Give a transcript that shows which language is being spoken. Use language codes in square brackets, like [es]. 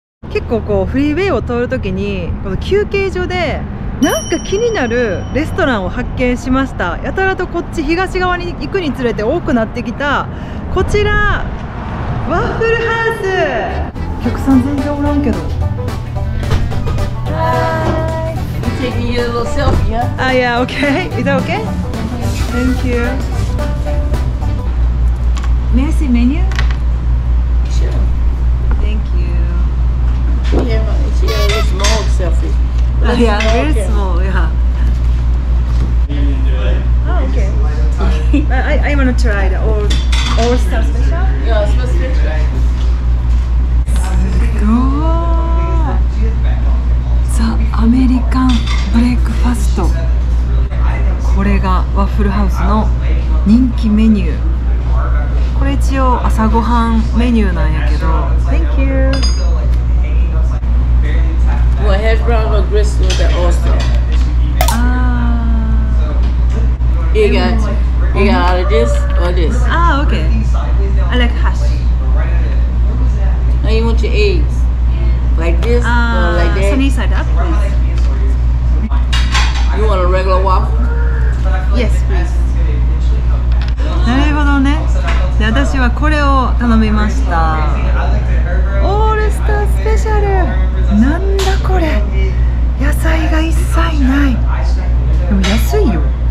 [ja] 結構こうフリーウェイを通るときに、この休憩所でなんか気になるレストランを発見しました。やたらとこっち東側に行くにつれて多くなってきた。こちらワッフルハウス。お客さん全然おらんけど。 [en] Taking you a little selfie, yeah? Yeah, okay. Is that okay? Thank you. May I see menu? Sure. Thank you. Yeah, it's a small selfie. Very small, yeah. Oh, okay. I want to try the old stuff special. Yeah, it's supposed to try. Oh! [ja] ザ・アメリカンブレイクファスト、これがワッフルハウスの人気メニュー。これ一応朝ごはんメニューなんやけど。 [en] Thank you. Well, a hash brown or grist with the oyster. Ah. You got all of this or this? Ah, okay. I like hash. And you want your eggs? Like this, or like that? Sunny side up, please. You want a regular waffle? Yes, please. [ja] なるほどね。で、私はこれを頼みました。オールスタースペシャル。なんだこれ。野菜が一切ない。でも安いよ。